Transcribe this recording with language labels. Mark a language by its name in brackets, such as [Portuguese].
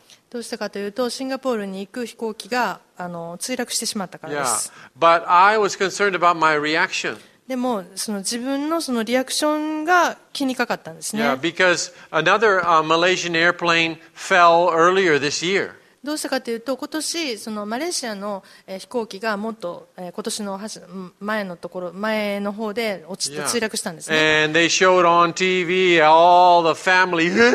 [Japanese] どうしたかというと、シンガポールに行く飛行機が墜落してしまったからです。 [English] Yeah. But I was concerned about my reaction. [Japanese] でもその自分のそのリアクションが気にかかったんですね。 [English] Yeah, because another Malaysian airplane fell earlier this year. [Japanese] どうしたかというと、今年そのマレーシアの飛行機がもっと今年の前のところ前の方で落ちて墜落したんですね。 [English] And they showed on TV all the family.